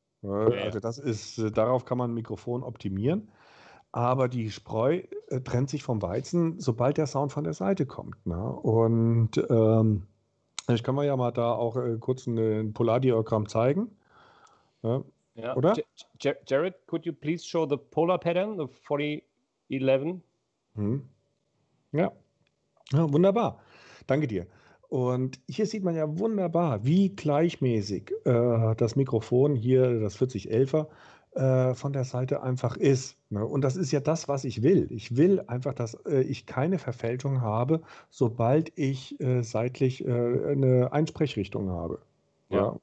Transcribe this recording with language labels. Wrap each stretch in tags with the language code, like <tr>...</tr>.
<de>Also das ist, darauf kann man ein Mikrofon optimieren. Aber die Spreu trennt sich vom Weizen, sobald der Sound von der Seite kommt. Ne? Und ich kann mir ja mal da auch kurz ein Polardiagramm zeigen. Ja. Oder?</de> <en>Jared, could you please show the polar pattern of 4011?</en> <de>Ja. Ja, wunderbar. Danke dir. Und hier sieht man ja wunderbar, wie gleichmäßig das Mikrofon hier, das 4011er, von der Seite einfach ist. Ne? Und das ist ja das, was ich will. Ich will einfach, dass ich keine Verfälschung habe, sobald ich seitlich eine Einsprechrichtung habe. Ja. Ja?</de>